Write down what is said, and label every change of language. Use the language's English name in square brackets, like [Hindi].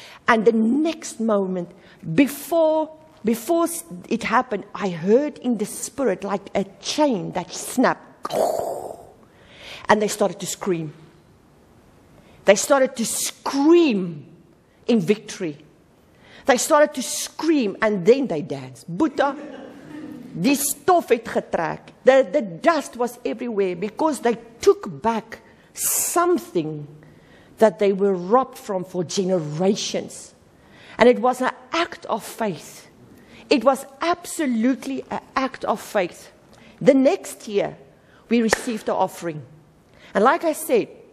[English] And the next moment, before it happened, I heard in the spirit like a chain that snapped. And they started to scream. They started to scream in victory. They started to scream and then they danced. [Afrikaans] Buddha, die stof het getrek. [English] The dust was everywhere because they took back something that they were robbed from for generations. And it was an act of faith. It was absolutely an act of faith. The next year, we received the offering. And like I said,